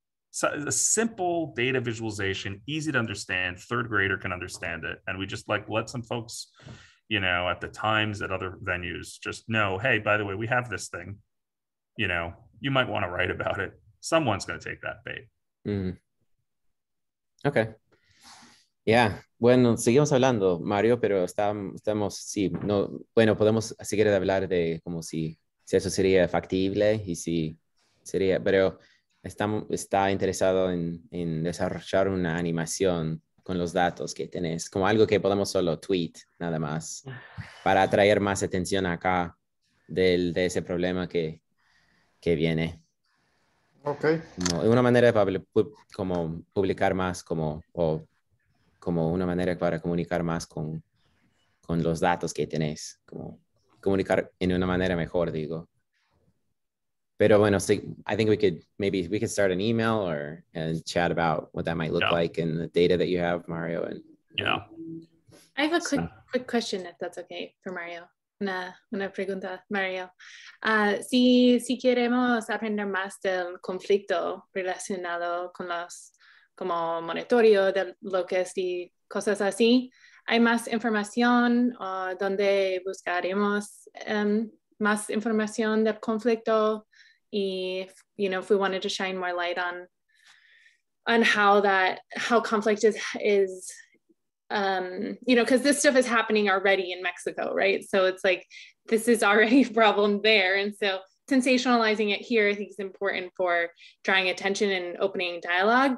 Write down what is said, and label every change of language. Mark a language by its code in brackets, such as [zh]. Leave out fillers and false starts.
[en] So a simple data visualization, easy to understand, third grader can understand it. And we just like let some folks, you know, at the Times, at other venues, just know, hey, by the way, we have this thing, you know, you might want to write about it. Someone's going to take that bait. Mm. Ok. Ya, yeah. [es] Bueno, seguimos hablando, Mario, pero estamos, sí, no, bueno, podemos seguir hablar de como si eso sería factible y si sería, pero está interesado en desarrollar una animación con los datos que tenés, como algo que podemos solo tweet, nada más, para atraer más atención acá de ese problema que viene. Ok. Como una manera de como publicar más, como una manera para comunicar más con los datos que tenés, como comunicar en una manera mejor, digo. Pero bueno, [en] so I think we could start an email and chat about what that might look like and the data that you have, Mario. And yeah. I have a quick question, if that's okay, for Mario. [es] Una pregunta, Mario. Si queremos aprender más del conflicto relacionado con los como monitoreo de locust y cosas así, ¿hay más información o dónde buscaremos más información del conflicto? [en] If you know, if we wanted to shine more light on how conflict is you know, because this stuff is happening already in Mexico, right? So it's like this is already a problem there, and so sensationalizing it here I think is important for drawing attention and opening dialogue.